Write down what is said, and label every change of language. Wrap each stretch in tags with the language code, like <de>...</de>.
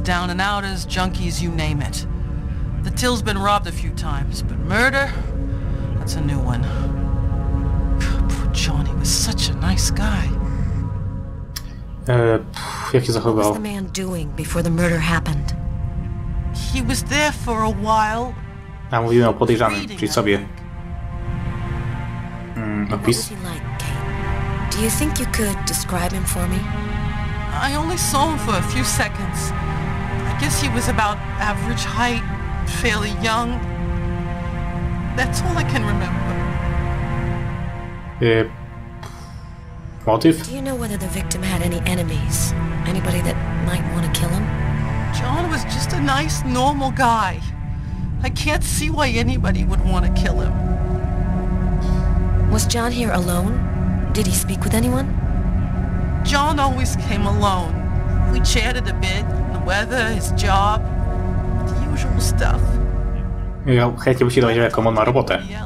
<en>Down and outers, junkies, you name it. The till's been robbed a few times, but murder? That's a new one. Poor John, he was such a nice guy.</en> <pl>Jak się zachowywał?</pl> <en>What was the man doing before the murder happened? He was there for a while.</en> <pl>A mówimy o podejrzanym, czyli sobie. Opis.</pl> <en>What was he like, Kate? Do you think you could describe him for me? I only saw him for a few seconds. I guess he was about average height, fairly young. That's all I can remember. Motive? Do you know whether the victim had any enemies? Anybody that might want to kill him? John was just a nice, normal guy. I can't see why anybody would want to kill him. Was John here alone? Did he speak with anyone? John always came alone. We chatted a bit, the weather, his job, the usual stuff.</en> <pl>Ja chętnie bym się dowiedział, jaką on ma robotę.</pl>